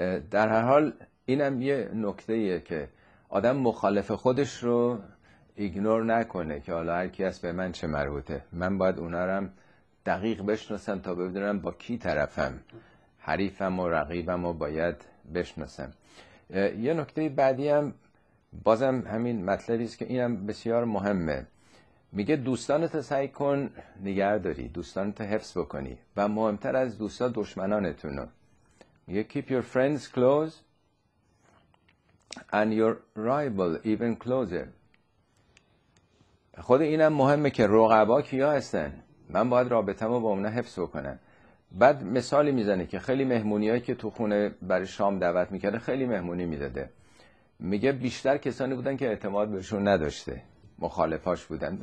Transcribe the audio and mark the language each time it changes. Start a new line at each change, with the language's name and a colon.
Persian: در هر حال اینم یه نکته ایه که آدم مخالف خودش رو ایگنور نکنه که حالا هر کی هست به من چه مربوطه، من باید اونا رو هم دقیق بشناسم تا ببینم با کی طرفم، حریفم و رقیبم رو باید بشناسم. یه نکته بعدی هم بازم همین مطلبی است که اینم بسیار مهمه. میگه دوستانت رو سعی کن نگه داری، دوستانت رو حفظ بکنی، و مهمتر از دوستا دشمنانتون رو. میگه
English: keep your friends close and your rival even closer.
Persian: خود اینم مهمه که رقبا کیا هستن، من باید رابطه‌مو با اونا حفظ بکنم. بعد مثالی میزنه که خیلی مهمونیایی که تو خونه برای شام دعوت میکرده خیلی مهمونی میداده، میگه بیشتر کسانی بودن که اعتماد بهشون نداشته، مخالفاش بودن.